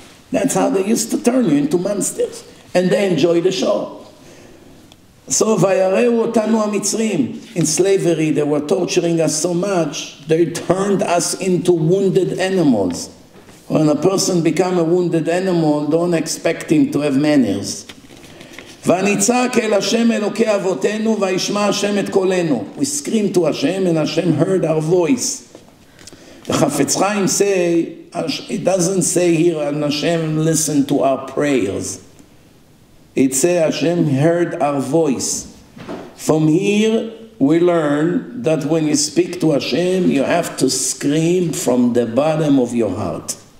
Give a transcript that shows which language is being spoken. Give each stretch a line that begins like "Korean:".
English: That's how they used to turn you into monsters. And they enjoy the show. So,
Hebrew: vayareu otanu ha-mitzrim.
English: In slavery, they were torturing us so much, they turned us into wounded animals. When a person becomes a wounded animal, don't expect him to have manners.
Hebrew: וניצק אל השם אלוקי אבותינו וישמע השם את קולנו.
English: We scream to Hashem and Hashem heard our voice. וחפץ חיים say, it doesn't say here, and Hashem listened to our prayers. It says Hashem heard our voice. From here we learn that when you speak to Hashem, you have to scream from the bottom of your heart.